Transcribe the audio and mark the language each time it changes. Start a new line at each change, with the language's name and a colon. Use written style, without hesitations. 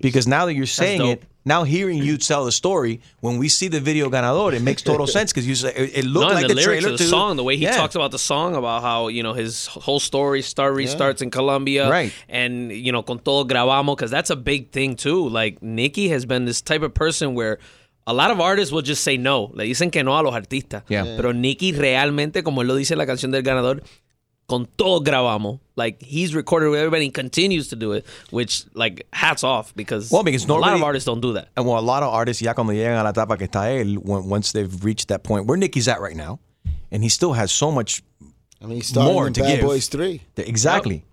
English: Because now that you're saying it, now hearing you tell the story, when we see the video Ganador, it makes total sense because you say it looked like the trailer of the song, the way he talks about the song, about how, you know, his whole story restarts in Colombia, right? And you know,
Spanish: con todo grabamos,
English: because that's a big thing too. Like Nicky has been this type of person where a lot of artists will just say no,
Spanish: le dicen que no a los artistas,
English: yeah.
Spanish: Pero Nicky realmente, como él lo dice en la canción del Ganador, con todo grabamos.
English: Like, he's recorded with everybody and continues to do it, which, like, hats off, because normally, a lot of artists don't do that. And well, a lot of artists,
Spanish: ya cuando llegan a la etapa que está él,
English: once they've reached that point, where Nicky's at right now, and he still has so much more to give. I mean, he's starting in Bad Boys 3. Exactly. Yep.